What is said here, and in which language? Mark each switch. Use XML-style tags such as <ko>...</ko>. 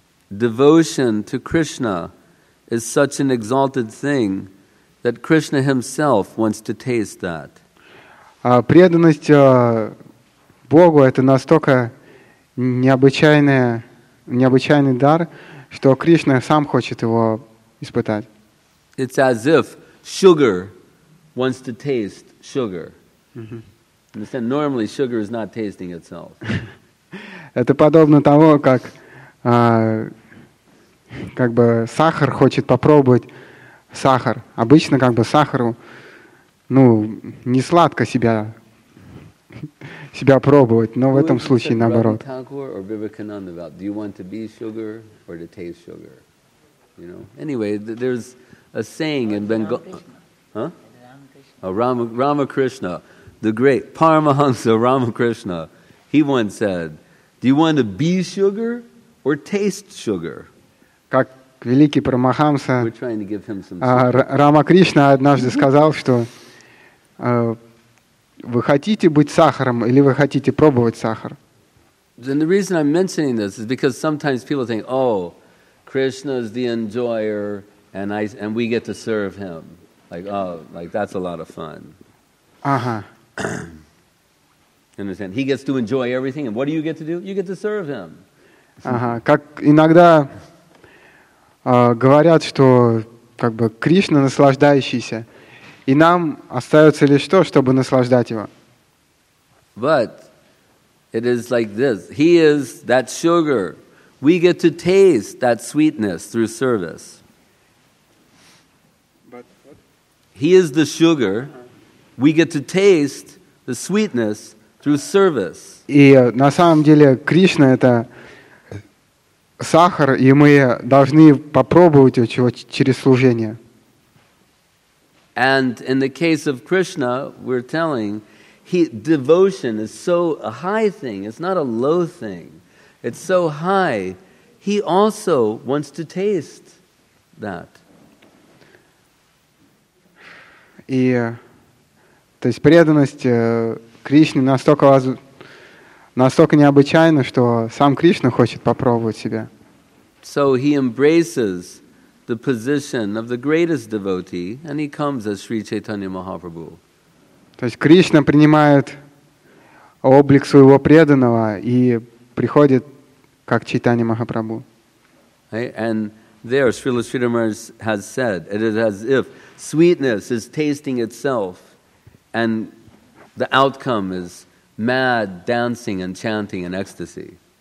<en>Devotion to Krishna is such an exalted thing that Krishna himself wants to taste that.</en> <ru>Преданность Богу — это настолько необычайный дар, что Кришна сам хочет его испытать.</ru> <en>It's as if sugar wants to taste sugar. Understand? Normally, sugar is not tasting itself.</en> <ru>Это подобно тому, как как бы сахар хочет попробовать сахар. Обычно как бы сахару не сладко себя пробовать, но</ru> <en>who</en> <ru>в этом случае наоборот.</ru> <en>About, do you want to be sugar or to taste sugar? You know? Anyway, there's a saying in Bengal. Ramakrishna, the great Paramahansa Ramakrishna, he once said, do you want to be sugar or taste sugar?</en> <ru>Как великий Парамахамса Рамакришна однажды сказал, что вы хотите быть сахаром или вы хотите пробовать сахар?</ru> <en>And the reason I'm mentioning this is because sometimes people think, oh, Krishna is the enjoyer and we get to serve him. Like, oh, like that's a lot of fun. Uh-huh. Understand? He gets to enjoy everything and what do you get to do? You get to serve him. Uh-huh.</en> <ru>Как иногда говорят, что как бы Кришна наслаждающийся, и нам остается лишь то, чтобы наслаждать его.</ru> <en>But it is like this. He is that sugar. We get to taste that sweetness through service. But what? He is the sugar. We get to taste the sweetness through service.</en> <ru>И на самом деле Кришна это сахар, и мы должны попробовать его через служение.</ru> <en>And in the case of Krishna, we're telling, devotion is so a high thing, it's not a low thing. It's so high, he also wants to taste that.</en> <ru>И, то есть преданность Кришне настолько необычайна, что сам Кришна хочет попробовать себя.</ru> <en>So he embraces the position of the greatest devotee and he comes as Sri Chaitanya Mahaprabhu.</en> <ru>То есть Кришна принимает облик своего преданного и приходит как Чайтанья Махапрабху.</ru> <en>And there Srila Sridhar Maharaj has said, it is as if sweetness is tasting itself and the outcome is mad dancing and chanting in ecstasy.</en>